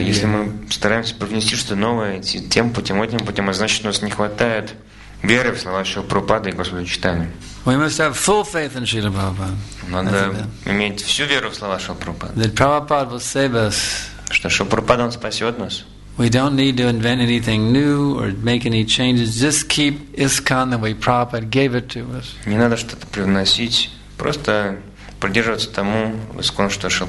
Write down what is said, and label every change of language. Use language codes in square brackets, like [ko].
[ru] Если мы стараемся привнести что-то новое тем путем, этим путем, значит, у нас не хватает веры в слова Шрилы Прабхупады и Господа Чайтаньи. [en] We must have full faith in Srila Prabhupada. [ru] Надо иметь всю веру в слова Шрилы Прабхупады. [en] That Prabhupada will save us. [ru] Что Шрила Прабхупада спасет нас. [en] We don't need to invent anything new or make any changes. Just keep ISKCON the way Prabhupada gave it to us. [ru] Не надо что-то привносить, просто придерживаться тому, что Шрила